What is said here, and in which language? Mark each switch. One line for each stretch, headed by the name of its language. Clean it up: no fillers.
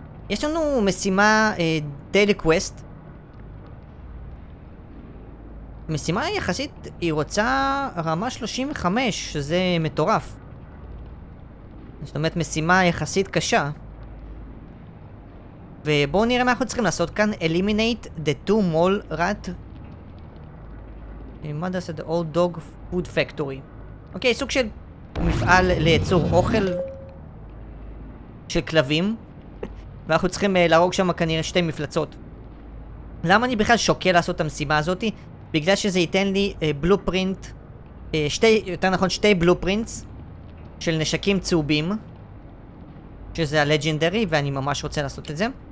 Hebrew: יש לנו משימה דיילי קווסט. משימה יחסית, היא רוצה רמה 35, שזה מטורף. זאת אומרת, משימה יחסית קשה. ובואו נראה מה אנחנו צריכים לעשות כאן.
English: Eliminate the two mall rat.
Hebrew: מה זה עושה?
English: The old dog food factory.
Hebrew: אוקיי, סוג של מפעל לייצור אוכל של כלבים. ואנחנו צריכים להרוג שם כנראה שתי מפלצות. למה אני בכלל שוקל לעשות את המשימה הזאת? בגלל שזה ייתן לי בלופרינט שתי, יותר נכון שתי בלופרינטס של נשקים צהובים, שזה הלג'נדרי, ואני ממש רוצה לעשות את זה.